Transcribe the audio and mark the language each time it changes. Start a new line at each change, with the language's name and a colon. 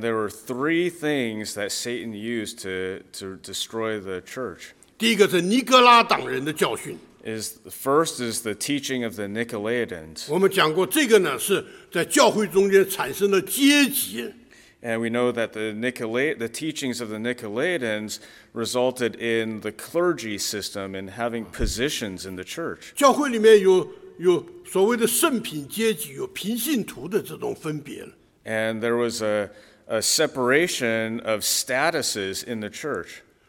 English: there were three things that Satan used to destroy the church.
Chinese: 第一个是尼格拉党人的教训。
English: Is the first is the teaching of the Nicolaitans.
Chinese: 我们讲过这个呢，是在教会中间产生了阶级。
English: And we know that the teachings of the Nicolaitans resulted in the clergy system and having positions in the church.
Chinese: 教会里面有所谓的圣品阶级，有平信徒的这种分别。
English: And there was a separation of statuses in the church.